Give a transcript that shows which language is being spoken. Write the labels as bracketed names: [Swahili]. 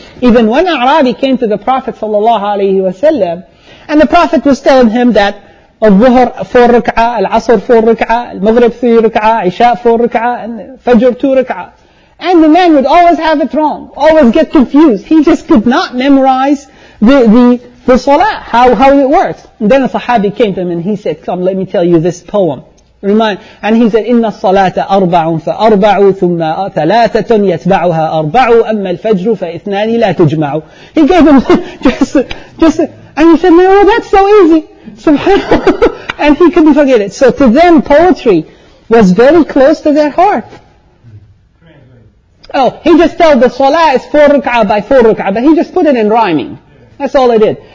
[English] Even when Arabi came to the Prophet sallallahu alaihi wasallam, and the Prophet was telling him that al-Dhuhr 4 rak'ah, al-Asr 4 rak'ah, al-Maghrib 3 rak'ah, Isha 4 rak'ah, and Fajr 2 rak'ah. And the man would always have it wrong, always get confused. He just could not memorize the salah, how it works. And then a sahabi came to him and he said, come, let me tell you this poem. Remind. And he said, [Arabic] إِنَّ الصَّلَاةَ أَرْبَعٌ فَأَرْبَعُ ثُمَّ ثَلَاثَةٌ يَتْبَعُهَا أَرْبَعُ أَمَّا الْفَجْرُ فَإِثْنَانِ لَا تُجْمَعُ. [English] He gave him just, and he said, no, that's so easy. SubhanAllah. And he couldn't forget it. So to them, poetry was very close to their heart. Oh, he just told the salah is 4 rak'ah by 4 rak'ah, but he just put it in rhyming. That's all it did.